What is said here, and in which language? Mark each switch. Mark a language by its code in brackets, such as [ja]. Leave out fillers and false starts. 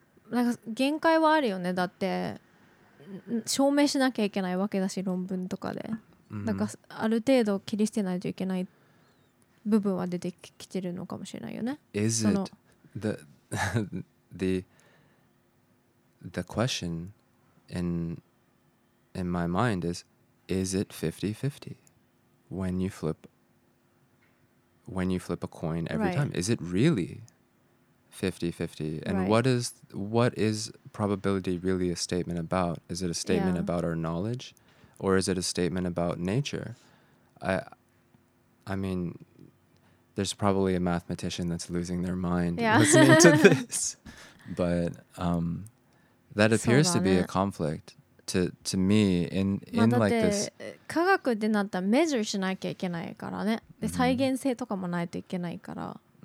[ja] なんか限界はあるよね、だって証明しなきゃいけないわけだし、論文とかで、 mm-hmm. なんかある程度切り捨てないといけない部分は出てきてるのかもしれないよね。 [en] Is it the question in my mind is it 50-50 when you flip a coin every right. time, is it really 50-50 and what is probability really a statement about? Is it a statement yeah. about our knowledge or is it a statement about nature? I mean, there's probably a mathematician that's losing their mind listening to this. But that appears to be a conflict to me in like this. [ja] 科学ってなったらメジューしなきゃいけないからね。で、再現性とかもないといけないから。